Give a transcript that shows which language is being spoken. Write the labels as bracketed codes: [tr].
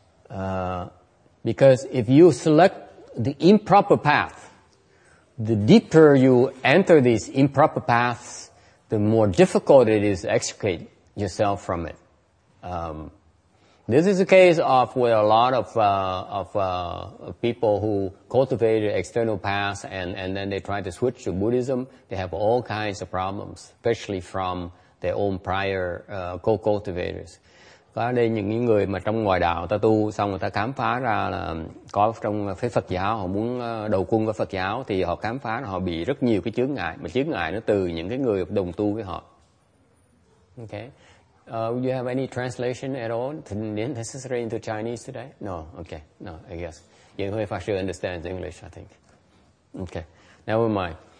[en] Because if you select the improper path, the deeper you enter these improper paths, the more difficult it is to extricate yourself from it. This is a case of where a lot of people who cultivated external paths and then they try to switch to Buddhism, they have all kinds of problems, especially from their own prior co-cultivators. [vi] Có đây những người mà trong ngoài đạo ta tu xong người ta khám phá ra là có trong phái Phật giáo, họ muốn đầu quân với Phật giáo thì họ khám phá là họ bị rất nhiều cái chướng ngại, mà chướng ngại nó từ những cái người đồng tu với họ. [en] Okay. You have any translation at all necessary into Chinese today? No. Okay. No, I guess. You know, if I should understand English, I think. Okay. Never mind.